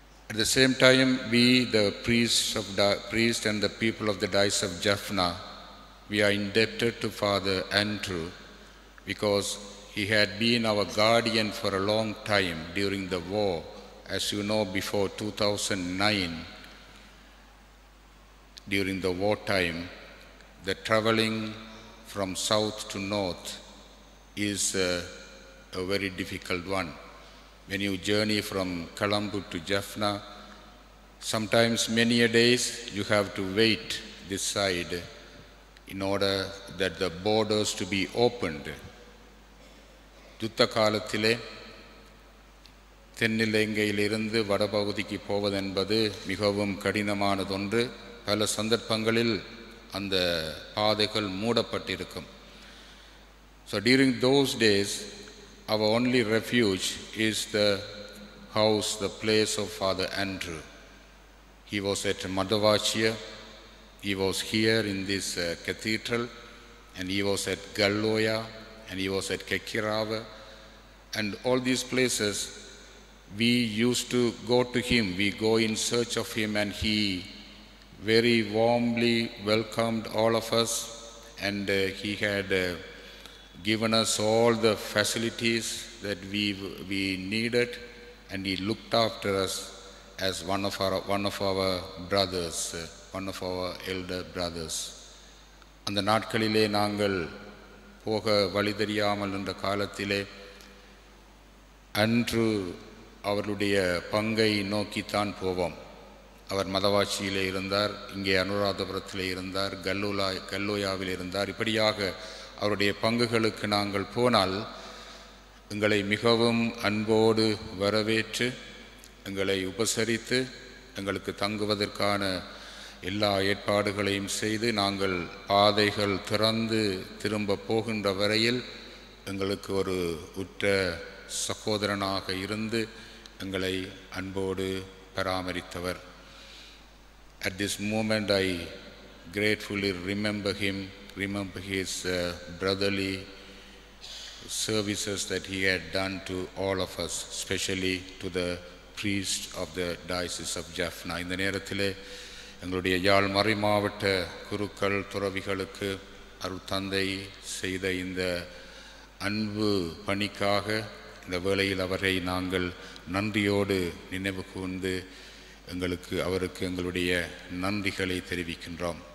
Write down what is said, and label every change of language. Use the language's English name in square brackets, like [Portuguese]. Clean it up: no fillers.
[English] At the same time we the priest of priest and the people of the diocese of Jaffna we are indebted to Father Andrew because he had been our guardian for a long time during the war. As you know before 2009 during the war time the travelling from south to north is a very difficult one. When you journey from Colombo to Jaffna, sometimes many a days you have to wait this side in order that the borders to be opened. [Tamil] Yuddha kaalathile thennilengayil irundhu vadapaguthikku povadhu enbadhu migavum kadinamaanad ondru. Pala sandarbhangalil அந்த பாதைகள் மூடப்பட்டிருக்கும். [English] So during those days our only refuge is the house the place of Father Andrew. He was at Medawachchiya, he was here in this cathedral and he was at Galoya and he was at Kekirawa and all these places we use to go to him. We go in church of him and he very warmly welcomed all of us and he had given us all the facilities that we needed and he looked after us as one of our brothers, one of our elder brothers. [Tamil] அந்த நாட்களிலே நாங்கள் போக வழி தெரியாமல் இருந்த காலத்திலே அன்று அவருடைய பங்கை நோக்கித்தான் போவோம். அவர் மதவாச்சியிலே இருந்தார், இங்கே அனுராதபுரத்திலே இருந்தார், கல்லோயாவில் இருந்தார். இப்படியாக அவருடைய பங்குகளுக்கு நாங்கள் போனால் எங்களை மிகவும் அன்போடு வரவேற்று எங்களை உபசரித்து எங்களுக்கு தங்குவதற்கான எல்லா ஏற்பாடுகளையும் செய்து நாங்கள் பாதைகள் திறந்து திரும்ப போகின்ற வரையில் எங்களுக்கு ஒரு உற்ற சகோதரனாக இருந்து எங்களை அன்போடு பராமரித்தவர். [English] At this moment I gratefully remember his brotherly services that he had done to all of us, especially to the priest of the diocese of Jaffna. [Tamil] இந்த நேரத்தில் எங்களுடைய யாழ் மறை மாவட்ட குருக்கள் துறவிகளுக்கு அருள் தந்தை செய்த இந்த அன்பு பணிக்காக இந்த வேளையில் அவரை நாங்கள் நன்றியோடு நினைவு கூர்ந்து எங்களுக்கு அவருக்கு எங்களுடைய நன்றிகளை தெரிவிக்கின்றோம்.